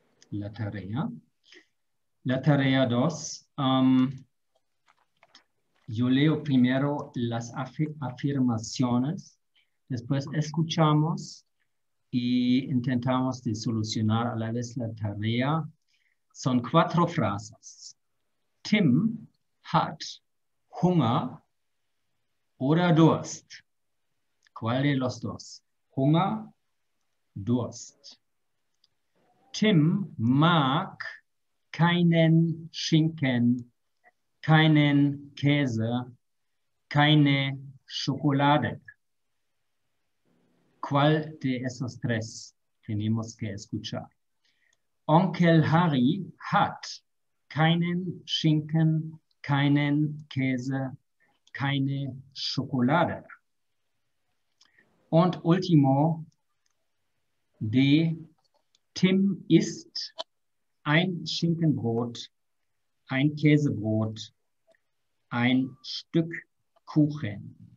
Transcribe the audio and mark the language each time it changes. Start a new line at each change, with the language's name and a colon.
Spanish: La tarea 2, yo leo primero las afirmaciones, después escuchamos y intentamos de solucionar a la vez la tarea. Son 4 frases.
German: Tim hat Hunger oder Durst.
Spanish: ¿Cuál de los dos? Hunger, Durst.
German: Tim mag keinen Schinken, keinen Käse, keine Schokolade.
Spanish: ¿Cuál de esos tres tenemos que escuchar?
German: Onkel Harry hat keinen Schinken, keinen Käse, keine Schokolade. Und último, die Tim isst ein Schinkenbrot, ein Käsebrot, ein Stück Kuchen.